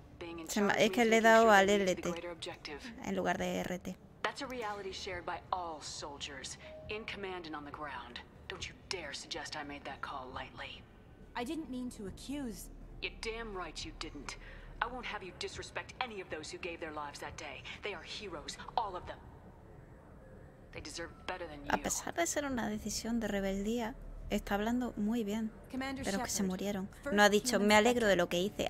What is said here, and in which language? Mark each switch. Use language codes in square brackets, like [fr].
[en] Being in charge, [es] es que le he dado al LT en lugar de RT. [en] That's a reality shared by all soldiers, in command and on the ground. Don't you dare suggest I made that call lightly. I didn't mean to accuse. You're damn right you didn't. I won't have you disrespect any of those who gave their lives that day. They are heroes, all of them. They deserve better than you. [es] A pesar de ser una decisión de rebeldía, está hablando muy bien. [en] Commander [es] de los que [en] Shepard, [es] se murieron. No ha dicho, me alegro de lo que hice.